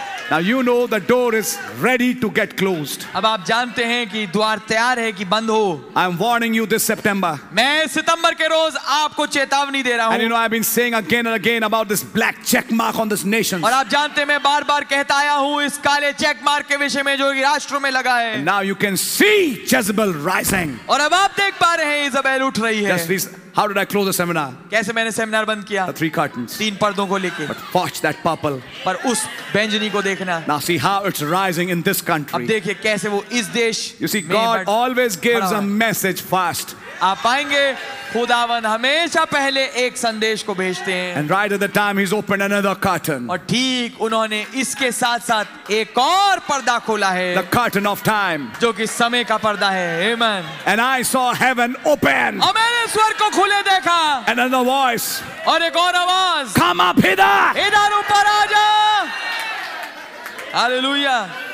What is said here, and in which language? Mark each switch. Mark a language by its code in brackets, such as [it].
[en] Now you know the door is ready to get closed. [hi] अब आप जानते हैं कि द्वार तैयार है कि बंद हो. [en] I am warning you this September. [hi] मैं सितंबर के रोज आपको चेतावनी दे रहा हूँ. [en] And you know I've been saying again and again about this black check mark on this nation. [hi] और आप जानते हैं मैं बार-बार कहता आया हूँ इस काले चेक मार्क के विषय में जो राष्ट्रों में लगा है. [en] And now you can see Jezebel rising. [hi] और अब आप देख पा रहे हैं इजबेल उठ रही है. [en] Yes, please. How did I close the seminar? [hi] कैसे मैंने सेमिनार बंद किया? [en] The three curtains. [hi] तीन पर्दों को लेके. [en] But watch that purple. [hi] पर उस बैंजनी को देखना. [en] Now see how it's rising in this country. [hi] अब देखिए कैसे वो इस देश. [en] You see, God always gives a message first. [hi] आप पाएंगे खुदावन हमेशा पहले एक संदेश को भेजते हैं. [en] And right at the time, he's opened another curtain. [hi] और ठीक उन्होंने इसके साथ साथ एक और पर्दा खोला है. [en] The curtain of time. [hi] जो कि समय का पर्दा है. Amen. [en] And I saw heaven open. [hi] और मैंने स्वर्ग को खुले देखा. [en] And another voice. [hi] और एक और आवाज. [en] Come up hither. [hi] इधर ऊपर आ जा. Hallelujah.